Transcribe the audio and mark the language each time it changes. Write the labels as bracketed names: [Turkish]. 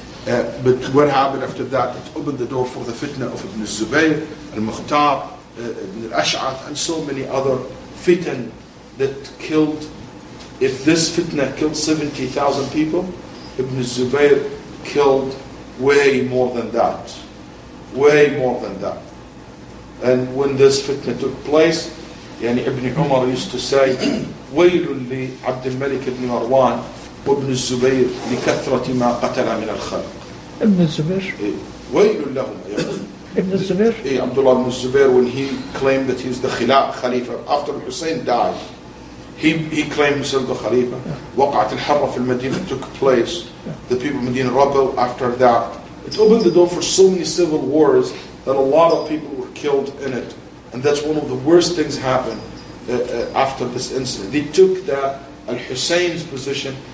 [English] But what happened after that? It opened the door for the fitna of Ibn Zubayr, Al-Mukhtar, Ibn Al-Ash'ath, and so many other fitna that killed. If this fitna killed 70,000 people, Ibn Zubayr killed way more than that. Way more than that. And when this fitna took place, Ibn Umar used to say, [Arabic] وَيْلٌ لِعَبْدِ الْمَلِكِ ابْنِ مَرْوَانِ وَابْنِ الزُّبَيْرِ لِكَثْرَةِ مَا قَتَلَ مِنَ الْخَلْقِ. [English] Ibn Zubayr. [Arabic] وَيْلٌ لَهُمْ. [English] Ibn Zubayr. Abdullah ibn Zubayr, when he claimed that he's the Khalifa, after Hussein died, he claimed himself the Khalifa. [Arabic] وَقَعَتْ الْحَرَّ فِي الْمَدِينَ, [English] took place. The people of Medina rebelled after that. It opened the door for so many civil wars that a lot of people were killed in it. And that's one of the worst things happened after this incident. They took the al-Husayn's position